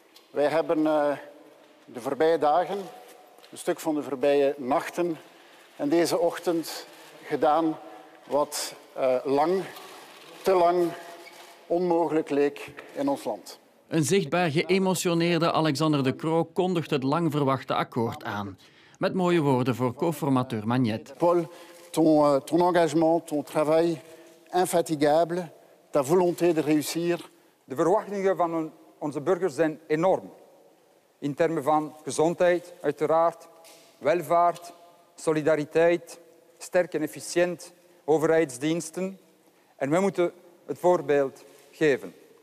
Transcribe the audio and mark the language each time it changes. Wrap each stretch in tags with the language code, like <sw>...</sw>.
<nl>Wij hebben de voorbije dagen, een stuk van de voorbije nachten en deze ochtend gedaan wat lang, te lang, onmogelijk leek in ons land. Een zichtbaar geëmotioneerde Alexander De Croo kondigt het lang verwachte akkoord aan. Met mooie woorden voor co-formateur Magnet.</nl> <fr>Paul, ton engagement, ton travail infatigable, ta volonté de réussir.</fr> <nl>De verwachtingen van onze burgers zijn enorm. In termen van gezondheid, uiteraard, welvaart, solidariteit, sterk en efficiënt overheidsdiensten. En wij moeten het voorbeeld geven.</nl>